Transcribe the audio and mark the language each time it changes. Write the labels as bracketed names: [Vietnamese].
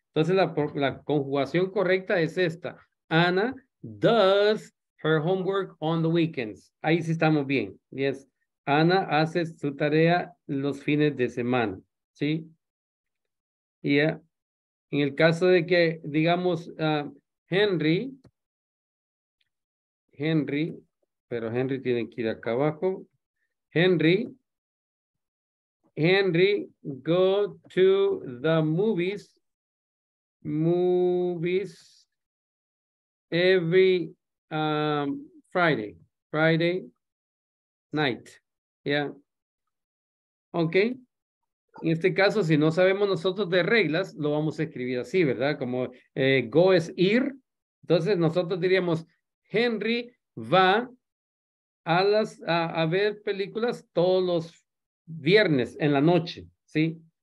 [Spanish] Entonces la conjugación correcta es esta. [English] Ana does her homework on the weekends. [Spanish] Ahí sí estamos bien. [English] Yes. [Spanish] Ana hace su tarea los fines de semana. ¿Sí? Y ya. En el caso de que, digamos, Henry tiene que ir acá abajo. [English] Henry, go to the movies every Friday night. Yeah. Okay. [Spanish] En este caso, si no sabemos nosotros de reglas, lo vamos a escribir así, ¿verdad? Como go es ir. Entonces, nosotros diríamos, Henry va a ver películas todos los viernes en la noche, ¿sí?